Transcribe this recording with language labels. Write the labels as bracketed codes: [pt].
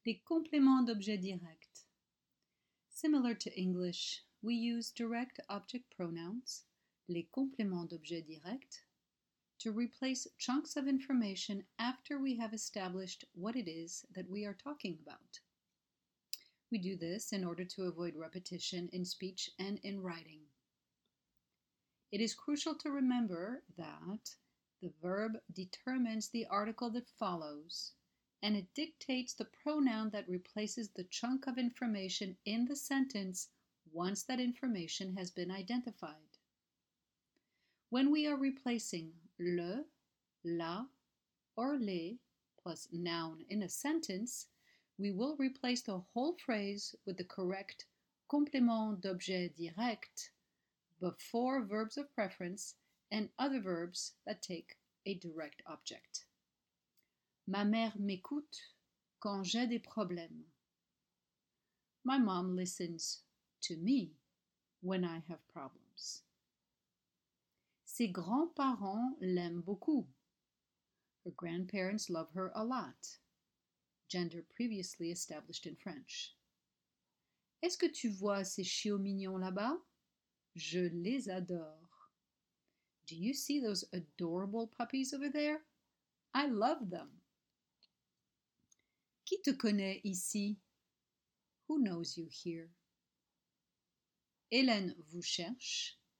[en] The complément d'objet direct. Similar to English, we use direct object pronouns, les compléments d'objet direct, to replace chunks of information after we have established what it is that we are talking about. We do this in order to avoid repetition in speech and in writing. It is crucial to remember that the verb determines the article that follows, and it dictates the pronoun that replaces the chunk of information in the sentence once that information has been identified. When we are replacing le, la, or les plus noun in a sentence, we will replace the whole phrase with the correct complément d'objet direct before verbs of preference and other verbs that take a direct object. [fr] Ma mère m'écoute quand j'ai des problèmes. [en] My mom listens to me when I have problems. [fr] Ses grands-parents l'aiment beaucoup. [en] Her grandparents love her a lot. Gender previously established in French. [fr] Est-ce que tu vois ces chiots mignons là-bas? Je les adore. [en] Do you see those adorable puppies over there? I love them. [fr] Qui te connaît ici? [en] Who knows you here? [fr] Hélène vous cherche.